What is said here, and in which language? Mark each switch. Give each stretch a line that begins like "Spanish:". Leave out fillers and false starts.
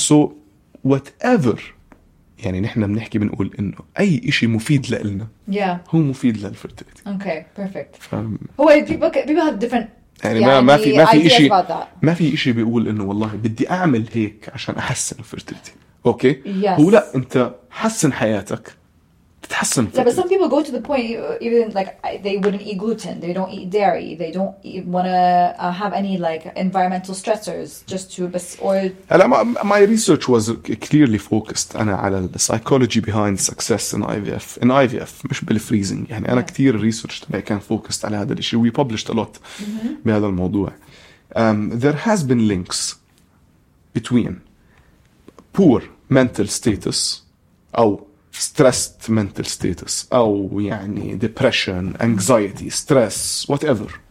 English: So whatever,
Arabic: يعني نحن بنحكي بنقول إنه أي إشي مفيد لإلنا,
English: yeah.
Arabic: هو مفيد للفيرتيليتي.
English: Okay, perfect.
Arabic: هو
English: people have different
Arabic: يعني ما في إشي ما في إشي بيقول إنه والله بدي أعمل هيك عشان أحسن الفيرتيليتي.
English: Okay. Yes.
Arabic: هو لا, أنت حسن حياتك تتحسن.
English: Yeah, but some people go to the point even like they wouldn't eat gluten, they don't eat dairy, they don't want to have any like environmental stressors just to or. My research was clearly focused أنا على the psychology behind success in IVF.
Arabic: In IVF, مش بالفريزنج يعني أنا كتير research تبعي كان focused على هذا الشيء.
English: We published a lot
Arabic: بهذا الموضوع.
English: There has been links between poor mental status أو stressed mental status, أو يعني depression, anxiety, stress, whatever.